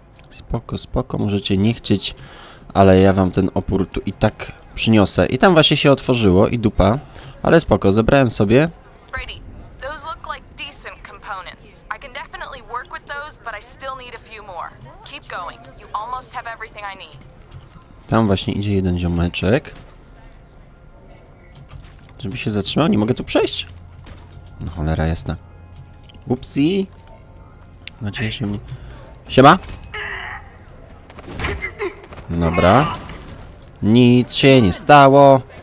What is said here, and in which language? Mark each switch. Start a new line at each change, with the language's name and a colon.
Polish: Spoko, spoko, możecie nie chcieć, ale ja wam ten opór tu i tak przyniosę. I tam właśnie się otworzyło i dupa, ale spoko, zebrałem sobie.
English: Brady, those look like decent components. I can definitely work with those, but I still need a few more. Keep going. You almost have everything I need.
Polish: Tam właśnie idzie jeden ziomeczek. Żeby się zatrzymał, nie mogę tu przejść. No cholera, jasna. Upsi! Nadzieję, że mnie... Siema! Dobra. Nic się nie stało.